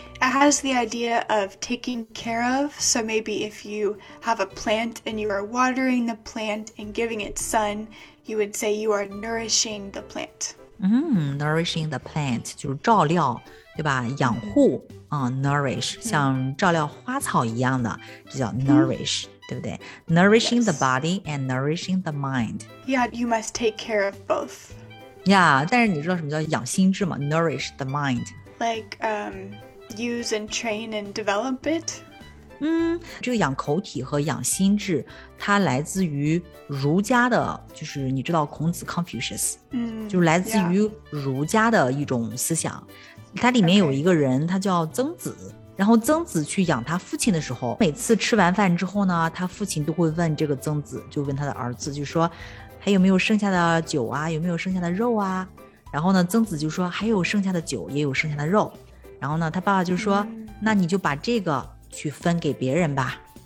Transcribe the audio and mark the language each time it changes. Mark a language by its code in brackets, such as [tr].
[en] It has the idea of taking care of. So maybe if you have a plant and you are watering the plant and giving it sun, you would say you are nourishing the plant. Nourishing the plant [zh] 就是照料对吧养护、Nourish 像照料花草一样的就叫 nourish、对不对 [en] Nourishing、the body and nourishing the mind Yeah, you must take care of both [zh] Yeah, 但是你知道什么叫养心智吗 [en] Nourish the mind Like、use and train and develop it [zh] 这个养口体和养心智它来自于儒家的就是你知道孔子 Confucius、就是来自于儒家的一种思想、它里面有一个人、他叫曾子然后曾子去养他父亲的时候每次吃完饭之后呢他父亲都会问这个曾子就问他的儿子就说还有没有剩下的酒啊有没有剩下的肉啊然后呢曾子就说还有剩下的酒也有剩下的肉然后呢他爸爸就说、那你就把这个去分给别人吧